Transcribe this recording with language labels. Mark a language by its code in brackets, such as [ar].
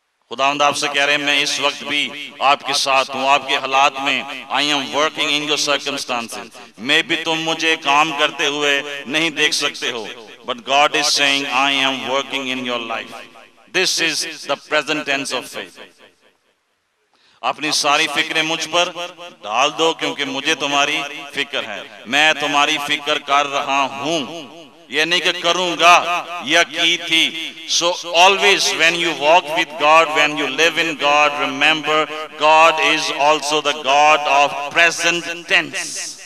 [ur] خداوند آپ سے کہہ رہے ہیں، میں اس وقت بھی آپ کے ساتھ ہوں، آپ کے حالات میں. [en] I am working in your circumstances. [ur] میں بھی تم مجھے کام کرتے ہوئے نہیں دیکھ سکتے ہو، [en] But God is seeing I am working in your life. This is the present tense of faith. [ur] اپنی ساری فکریں مجھ پر ڈال دو، کیونکہ مجھے تمہاری فکر ہے. میں تمہاری فکر کر رہا ہوں، یعنی کہ کروں گا یا کی تھی. [en] So always when you walk with God, when you live in God, remember God is also the God of present tense.